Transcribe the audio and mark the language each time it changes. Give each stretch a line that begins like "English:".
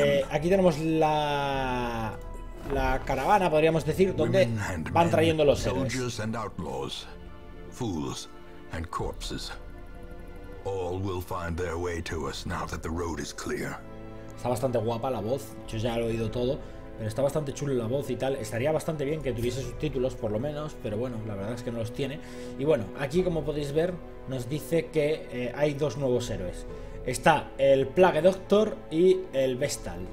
Spanish: Aquí tenemos la caravana, podríamos decir, donde van trayendo los héroes.
English: Outlaws, fools and corpses. All will find their way to us now that the road is clear.
Spanish: Está bastante guapa la voz, yo ya lo he oído todo, pero está bastante chulo la voz y tal. Estaría bastante bien que tuviese subtítulos, por lo menos, pero bueno, la verdad es que no los tiene. Y bueno, aquí como podéis ver, nos dice que hay dos nuevos héroes. Está el Plague Doctor y el Vestal.